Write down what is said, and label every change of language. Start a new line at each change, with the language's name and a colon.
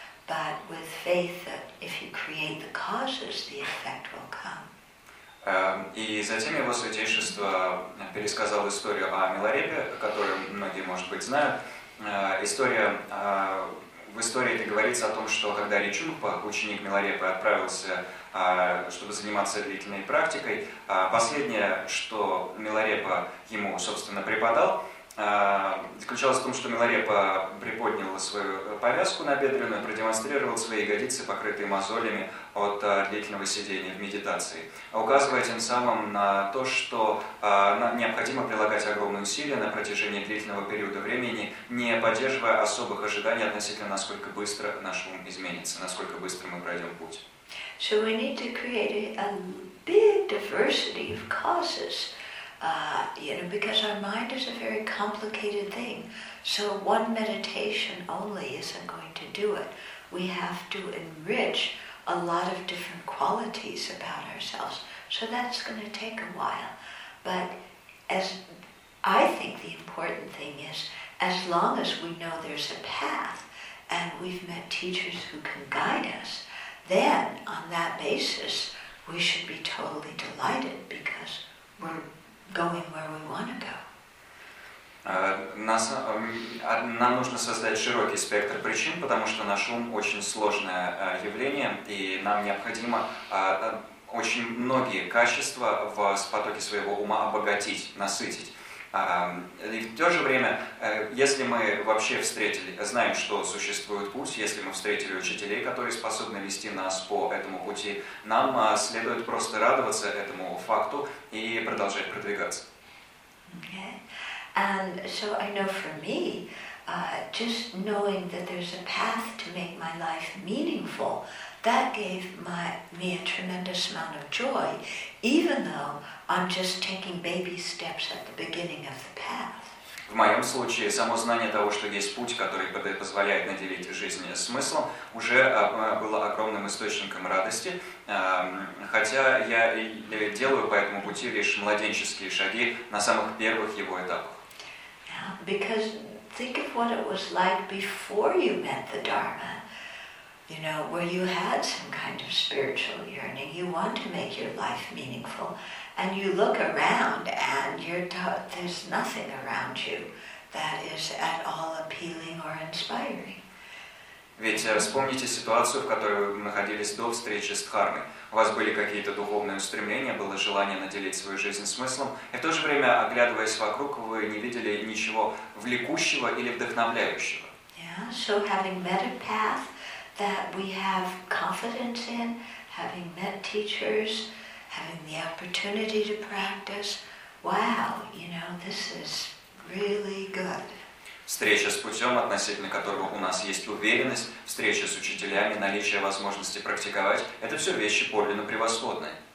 English: But with faith that if you create the causes, the effect will come.
Russian: И затем его святейшество пересказал историю о Миларепе, которую многие, может быть, знают. История, в истории это говорится о том, что когда Ричунгпа, ученик Миларепы, отправился, чтобы заниматься длительной практикой, последнее, что Миларепа ему, собственно, преподал, заключалось в том, что Миларепа приподнял свою повязку набедренную, продемонстрировал свои ягодицы, покрытые мозолями от длительного сидения в медитации, указывая тем самым на то, что необходимо прилагать огромные усилия на протяжении длительного периода времени, не поддерживая особых ожиданий относительно, насколько быстро наш ум изменится, насколько быстро мы пройдем путь.
English: So we need to create a big diversity of causes. You know, because our mind is a very complicated thing, so one meditation only isn't going to do it. We have to enrich a lot of different qualities about ourselves, so that's going to take a while. But as I think the important thing is, as long as we know there's a path and we've met teachers who can guide us, then on that basis we should be totally delighted because we're going where we want to go.
Russian: Нам нужно создать широкий спектр причин, потому что наш ум очень сложное явление, и нам необходимо очень многие качества в потоке своего ума обогатить, насытить. И в то же время, если мы вообще встретили, знаем, что существует путь, если мы встретили учителей, которые способны вести нас по этому пути, нам следует просто радоваться этому факту и продолжать продвигаться.
English: And so I know for me, just knowing that there's a path to make my life meaningful, that gave me a tremendous amount of joy, even though I'm just taking baby steps at the beginning of the path.
Russian: В моем случае, само знание того, что есть путь, который позволяет наделить жизнь смыслом, уже было огромным источником радости. Хотя я делаю по этому пути лишь младенческие шаги на самых первых его этапах.
English: Because think of what it was like before you met the Dharma, you know, where you had some kind of spiritual yearning, you want to make your life meaningful, and you look around and there's nothing around you that is at all appealing or inspiring.
Russian: Ведь вспомните ситуацию, в которой вы находились до встречи с Дхармой. У вас были какие-то духовные устремления, было желание наделить свою жизнь смыслом, и в то же время, оглядываясь вокруг, вы не видели ничего влекущего или вдохновляющего.
English: Yeah, so having met a path that we have confidence in, having met teachers, having the opportunity to practice, wow, you know, this is really good.
Russian: Встреча с путем, относительно которого у нас есть уверенность, встреча с учителями, наличие возможности практиковать – это все вещи подлинно превосходные.